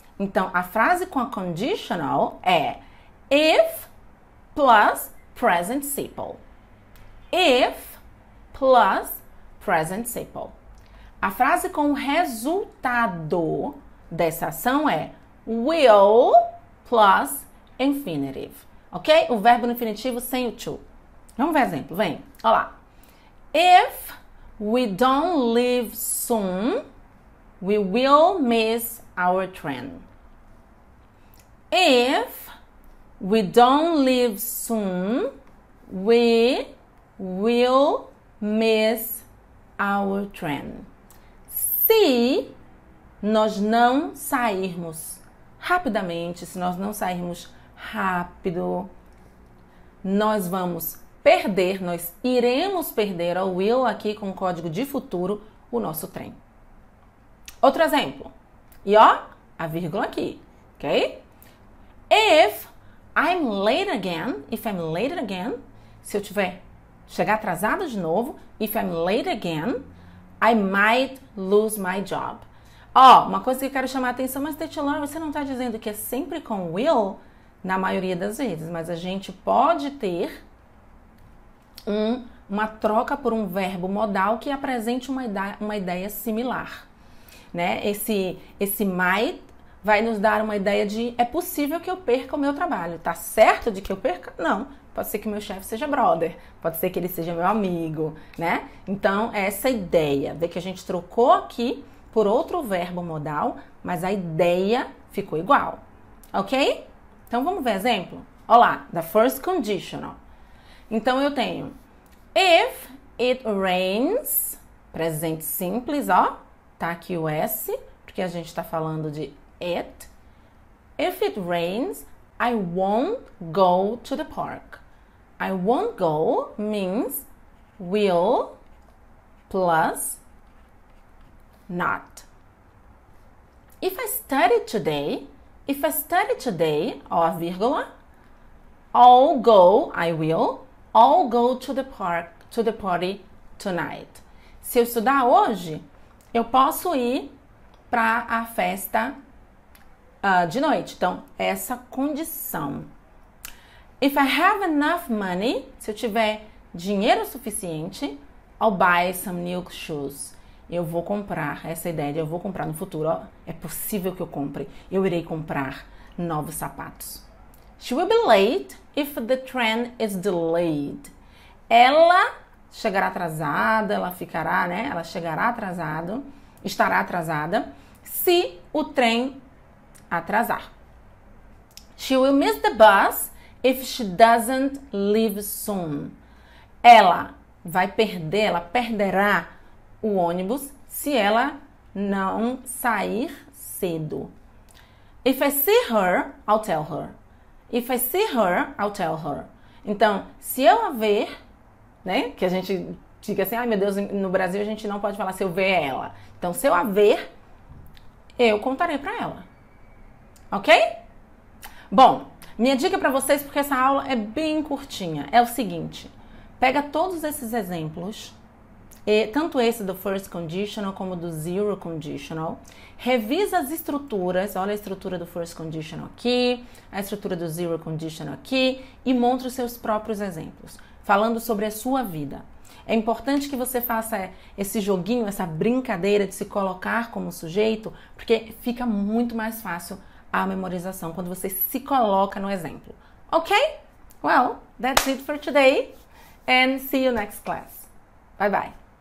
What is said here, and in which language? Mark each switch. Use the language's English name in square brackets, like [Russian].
[Portuguese] Então, a frase com a conditional é [English] if plus present simple. If plus present simple. [Portuguese] A frase com o resultado dessa ação é [English] will plus infinitive. [Portuguese] Ok? O verbo no infinitivo sem o to. Vamos ver exemplo. Vem. Olha lá. [English] If we don't leave soon, we will miss our train. If we don't leave soon, we will miss our train. [Portuguese] Se nós não sairmos rapidamente, se nós não sairmos rápido, nós vamos perder, nós iremos perder ao will aqui com o código de futuro o nosso trem. Outro exemplo. E ó, a vírgula aqui, ok? [English] If I'm late again, if I'm late again, [Portuguese] se eu tiver chegar atrasada de novo, [English] if I'm late again, I might lose my job. [Portuguese] Ó, uma coisa que eu quero chamar a atenção, mas Teacher Laura, você não está dizendo que é sempre com will, na maioria das vezes, mas a gente pode ter uma troca por um verbo modal que apresente uma ideia similar, né? Esse might vai nos dar uma ideia de é possível que eu perca o meu trabalho. Tá certo de que eu perca? Não. Pode ser que meu chefe seja brother. Pode ser que ele seja meu amigo, né? Então, é essa ideia de que a gente trocou aqui por outro verbo modal, mas a ideia ficou igual. Ok? Então, vamos ver exemplo. Olha lá, [English] the first conditional. [Portuguese] Então, eu tenho [English] if it rains, [Portuguese] presente simples, ó, tá aqui o S, porque a gente tá falando de it. [English] If it rains, I won't go to the park. I won't go means will plus not. If I study today, [Portuguese] ó, a vírgula, [English] I'll go, I will. I'll go to the park, to the party tonight. [Portuguese] Se eu estudar hoje, eu posso ir para a festa de noite. Então, essa condição. [English] If I have enough money, [Portuguese] se eu tiver dinheiro suficiente, [English] I'll buy some new shoes. [Portuguese] Eu vou comprar essa ideia de eu vou comprar no futuro. Ó, é possível que eu compre. Eu irei comprar novos sapatos. [English] She will be late if the train is delayed. [Portuguese] Ela chegará atrasada, ela ficará, né? Ela chegará atrasada, estará atrasada se o trem atrasar. [English] She will miss the bus if she doesn't leave soon. [Portuguese] Ela vai perder, ela perderá o ônibus se ela não sair cedo. [English] If I see her, I'll tell her. If I see her, I'll tell her. [Portuguese] Então, se eu a ver, né? Que a gente diga assim, ai meu Deus, no Brasil a gente não pode falar se eu ver ela. Então, se eu a ver, eu contarei pra ela. Ok? Bom, minha dica pra vocês, porque essa aula é bem curtinha, é o seguinte: pega todos esses exemplos, e tanto esse do first conditional como do zero conditional. Revisa as estruturas. Olha a estrutura do first conditional aqui, a estrutura do zero conditional aqui, e monta os seus próprios exemplos, falando sobre a sua vida. É importante que você faça esse joguinho, essa brincadeira de se colocar como sujeito, porque fica muito mais fácil a memorização quando você se coloca no exemplo. Ok? [English] Well, that's it for today, and see you next class. Bye bye.